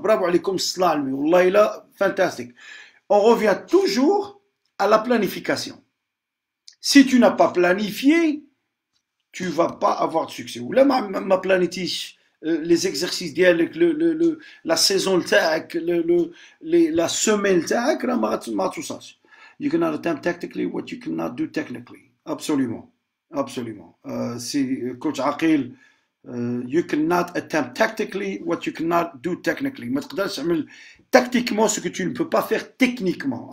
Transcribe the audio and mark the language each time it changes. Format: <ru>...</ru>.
<fr>Bravo,</fr> <ar>alaikum salam, wallahi la,</ar> <fr>fantastique. On revient toujours à la planification. Si tu n'as pas planifié, tu ne vas pas avoir de succès. Ou là, ma planétiche, les exercices d'hier, la saison, la semaine, là, ma tout ça.</fr> <en>You cannot attempt tactically what you cannot do technically.</en> <fr>Absolument. Absolument. C'est coach Aqil.</fr> <en>You cannot attempt tactically what you cannot do technically.</en> <fr>Mais tu peux faire tactiquement ce que tu ne peux pas faire techniquement.</fr>